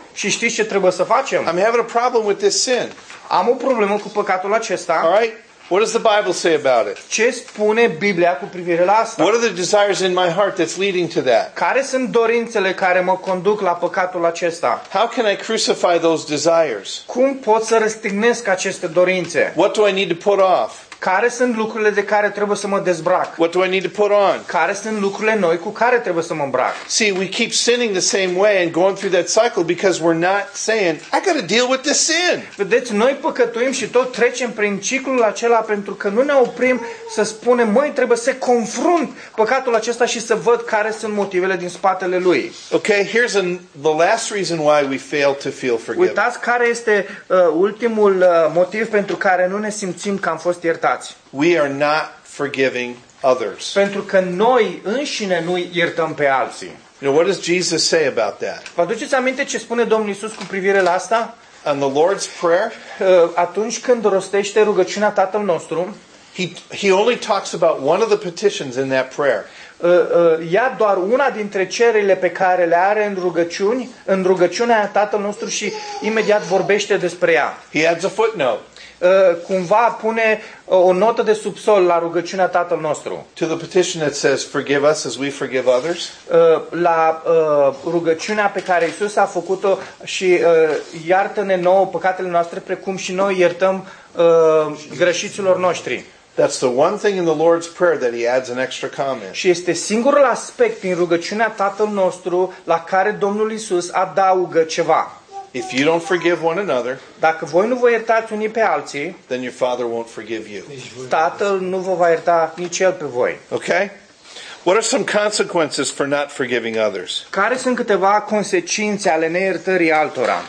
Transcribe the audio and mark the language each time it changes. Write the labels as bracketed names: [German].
[Romanian] Și știți ce trebuie să facem? [English] I'm having a problem with this sin. [Romanian] Am o problemă cu păcatul acesta. [English] All right. What does the Bible say about it? [Romanian] Ce spune Biblia cu privire la asta? [English] What are the desires in my heart that's leading to that? [Romanian] Care sunt dorințele care mă conduc la păcatul acesta? [English] How can I crucify those desires? [Romanian] Cum pot să răstignesc aceste dorințe? [English] What do I need to put off? [Romanian] Care sunt lucrurile de care trebuie să mă dezbrac? [English] What do I need to put on? [Romanian] Care sunt lucrurile noi cu care trebuie să mă îmbrac? [English] See, we keep sinning the same way and going through that cycle because we're not saying, I got to deal with this sin. [Romanian] Vedeți, noi păcătuim și tot trecem prin ciclul acela pentru că nu ne oprim să spunem, măi, trebuie să confrunt păcatul acesta și să văd care sunt motivele din spatele lui. [English] Okay, here's the last reason why we fail to feel forgiven. [Romanian] Uitați care este ultimul motiv pentru care nu ne simțim că am fost iertați. [English] We are not forgiving others. [Romanian] Pentru că noi înșine nu iertăm pe alții. [English] Now, what does Jesus say about that? [Romanian] Vă aduceți aminte ce spune Domnul Iisus cu privire la asta? [English] In the Lord's Prayer, [Romanian] atunci când rostește rugăciunea Tatăl nostru, [English] he only talks about one of the petitions in that prayer. [Romanian] Ia doar una dintre cererile pe care le are în rugăciuni, în rugăciunea Tatăl nostru și imediat vorbește despre ea. [English] He adds a footnote. [Romanian] Cumva pune o notă de subsol la rugăciunea Tatăl nostru. [English] To the petition that says forgive us as we forgive others. [Romanian] La rugăciunea pe care Iisus a făcut-o și iartă-ne nouă păcatele noastre precum și noi iertăm greșiților noștri. [English] That's the one thing in the Lord's Prayer that he adds an extra comment. [Romanian] Și este singurul aspect din rugăciunea Tatăl nostru la care Domnul Iisus adaugă ceva. [English] If you don't forgive one another, [Romanian] dacă voi nu vă iertați unii pe alții, [English] then your father won't forgive you. [Romanian] Tatăl nu vă va ierta nici el pe voi. [English] Okay? What are some consequences for not forgiving others? [Romanian] Care sunt câteva consecințe ale neiertării altora?